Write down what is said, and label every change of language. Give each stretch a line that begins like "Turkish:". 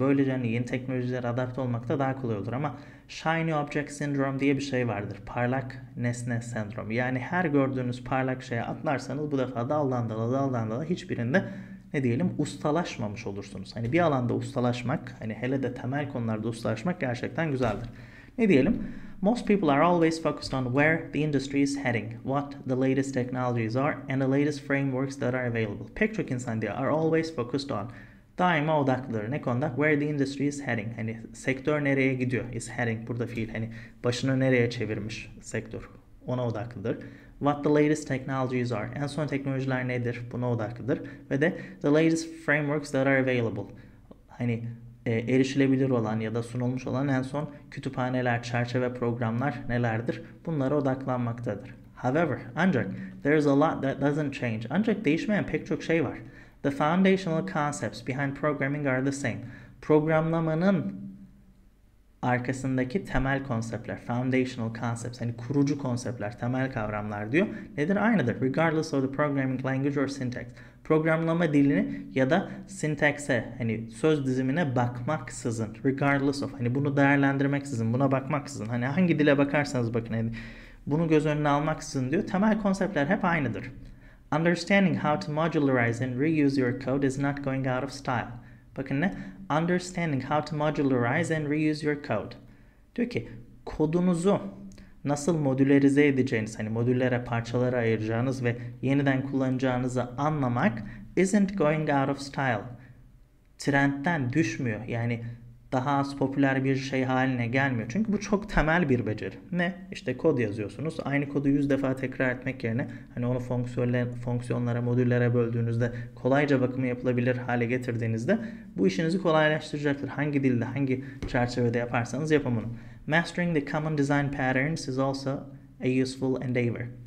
Turkish: Böylece yeni teknolojilere adapte olmak da daha kolay olur. Ama shiny object syndrome diye bir şey vardır. Parlak nesne sendromu. Yani her gördüğünüz parlak şeye atlarsanız bu defa daldan dala hiçbirinde ne diyelim, ustalaşmamış olursunuz. Hani bir alanda ustalaşmak, hani hele de temel konularda ustalaşmak gerçekten güzeldir. Ne diyelim?
English: Most people are always focused on where the industry is heading, what the latest technologies are and the latest frameworks that are available.
Turkish: Pek çok insan diye
English: are always focused on.
Turkish: Daima odaklıları ne konuda?
English: Where the industry is heading.
Turkish: Hani sektör nereye gidiyor?
English: Is heading.
Turkish: Burada fiil. Hani başını nereye çevirmiş sektör? Ona odaklıdır.
English: What the latest technologies are.
Turkish: En son teknolojiler nedir? Buna odaklıdır. Ve de
English: the latest frameworks that are available.
Turkish: Hani erişilebilir olan ya da sunulmuş olan en son kütüphaneler, çerçeve programlar nelerdir? Bunlara odaklanmaktadır.
English: However, ancak there is a lot that doesn't change.
Turkish: Ancak değişmeyen pek çok şey var.
English: The foundational concepts behind programming are the same.
Turkish: Programlamanın arkasındaki temel konseptler, foundational concepts, hani kurucu konseptler, temel kavramlar diyor. Nedir? Aynıdır.
English: Regardless of the programming language or syntax.
Turkish: Programlama dilini ya da syntax'e, hani söz dizimine bakmaksızın.
English: Regardless of,
Turkish: hani bunu değerlendirmeksizin, buna bakmaksızın. Hani hangi dile bakarsanız bakın, hani bunu göz önüne almaksızın diyor. Temel konseptler hep aynıdır.
English: Understanding how to modularize and reuse your code is not going out of style.
Turkish: Bakın ne?
English: Understanding how to modularize and reuse your code.
Turkish: Diyor ki kodunuzu nasıl modülerize edeceğiniz, hani modüllere, parçalara ayıracağınız ve yeniden kullanacağınızı anlamak
English: isn't going out of style.
Turkish: Trendten düşmüyor. Yani daha az popüler bir şey haline gelmiyor. Çünkü bu çok temel bir beceri. Ne? İşte kod yazıyorsunuz. Aynı kodu 100 defa tekrar etmek yerine hani onu fonksiyonlara, modüllere böldüğünüzde, kolayca bakımı yapılabilir hale getirdiğinizde bu işinizi kolaylaştıracaktır. Hangi dilde, hangi çerçevede yaparsanız yapın bunu.
English: Mastering the common design patterns is also a useful endeavor.